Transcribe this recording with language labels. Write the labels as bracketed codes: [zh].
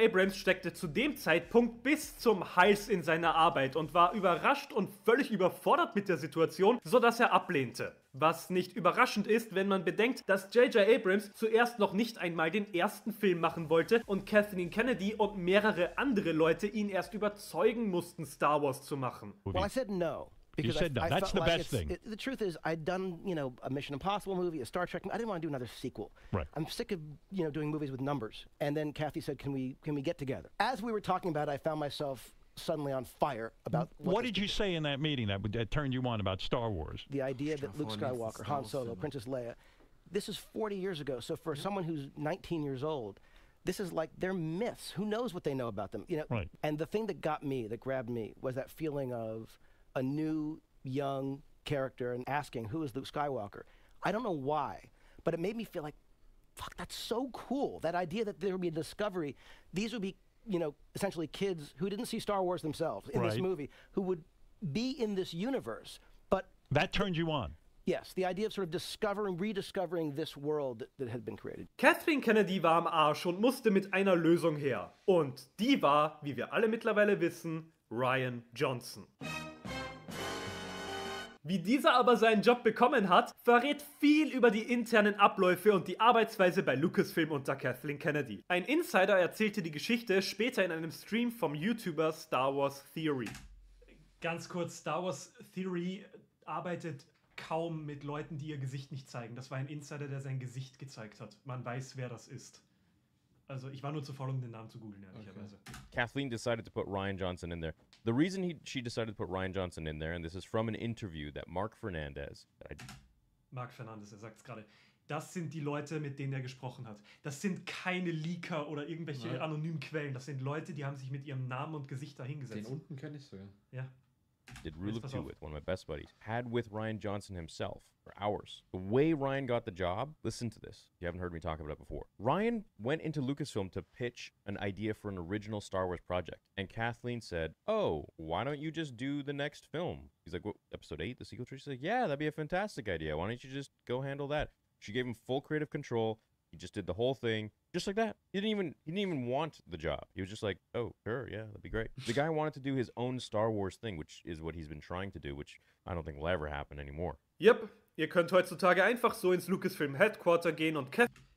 [de] Abrams steckte zu dem Zeitpunkt bis zum Hals in seiner Arbeit und war überrascht und völlig überfordert mit der Situation, sodass er ablehnte. Was nicht überraschend ist, wenn man bedenkt, dass J.J. Abrams zuerst noch nicht einmal den ersten Film machen wollte und Kathleen Kennedy und mehrere andere Leute ihn erst überzeugen mussten, Star Wars zu machen. [en] Well, I said no. Because you said no. That's the best thing. The truth is, I'd done, you know, a Mission Impossible movie, a Star Trek movie. I didn't want to do another sequel. Right. I'm sick of, you know, doing movies with numbers. And then Kathy said, can we get together? As we were talking about it, I found myself suddenly on fire about... What did you say in that meeting that turned you on about Star Wars? The idea that Luke Skywalker, Han Solo, Princess Leia, this is 40 years ago. So for someone who's 19 years old, this is like, they're myths. Who knows what they know about them? You know? Right. And the thing that got me, that grabbed me, was that feeling of... a new young character and asking who is Luke Skywalker. I don't know why, but it made me feel like, fuck, that's so cool. That idea that there would be a discovery. These would be, you know, essentially kids who didn't see Star Wars themselves in right. this movie, who would be in this universe, but- That turned you on. Yes, the idea of sort of discovering, rediscovering this world that had been created. [de] Kathleen Kennedy war am Arsch und musste mit einer Lösung her. Und die war, wie wir alle mittlerweile wissen, Rian Johnson. Wie dieser aber seinen Job bekommen hat, verrät viel über die internen Abläufe und die Arbeitsweise bei Lucasfilm unter Kathleen Kennedy. Ein Insider erzählte die Geschichte später in einem Stream vom YouTuber Star Wars Theory. Ganz kurz, Star Wars Theory arbeitet kaum mit Leuten, die ihr Gesicht nicht zeigen. Das war ein Insider, der sein Gesicht gezeigt hat. Man weiß, wer das ist. Also, ich war nur zu faul, um den Namen zu googeln, ehrlicherweise. Okay. [en] Kathleen decided to put Rian Johnson in there. The reason she decided to put Rian Johnson in there, and this is from an interview that Mark Fernandez... [de] Mark Fernandez, er sagt es gerade. Das sind die Leute, mit denen er gesprochen hat. Das sind keine Leaker oder irgendwelche anonymen Quellen. Das sind Leute, die haben sich mit ihrem Namen und Gesicht dahingesetzt. Den unten kenne ich sogar. Ja. [en] Did Rule of Two with one of my best buddies. Had with Rian Johnson himself for hours. The way Rian got the job, listen to this. You haven't heard me talk about it before. Rian went into Lucasfilm to pitch an idea for an original Star Wars project. And Kathleen said, oh, why don't you just do the next film? He's like, what, episode 8, the sequel trilogy? She's like, yeah, that'd be a fantastic idea. Why don't you just go handle that? She gave him full creative control. He just did the whole thing. Just like that. He didn't even want the job. He was just like, oh, sure, yeah, that'd be great. The guy wanted to do his own Star Wars thing, which is what he's been trying to do, which I don't think will ever happen anymore. [de] Yep, ihr könnt heutzutage einfach so ins Lucasfilm Headquarter gehen und Kevin.